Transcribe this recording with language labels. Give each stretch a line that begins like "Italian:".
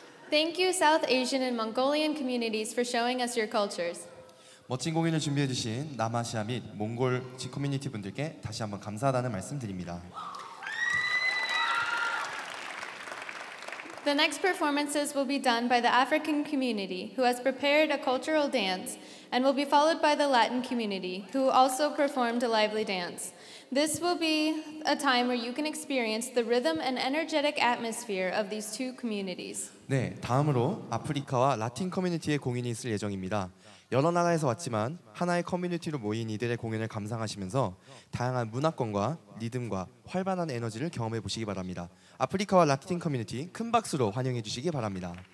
English: Thank you, South Asian and Mongolian communities, for showing us your cultures.
Korean: 멋진 공연을 준비해 주신 남아시아 및 몽골 커뮤니티 분들께 다시 한번 감사하다는 말씀드립니다.
English: The next performances will be done by the African community, who has prepared a cultural dance, and will be followed by the Latin community, who also performed a lively dance. This will be a time where you can experience the rhythm and energetic atmosphere of these two communities.
Korean: 네, 다음으로 아프리카와 라틴 커뮤니티의 공연이 있을 예정입니다. 여러 나라에서 왔지만 하나의 커뮤니티로 모인 이들의 공연을 감상하시면서 다양한 문화권과 리듬과 활발한 에너지를 경험해 보시기 바랍니다. 아프리카와 라틴 커뮤니티 큰 박수로 환영해 주시기 바랍니다.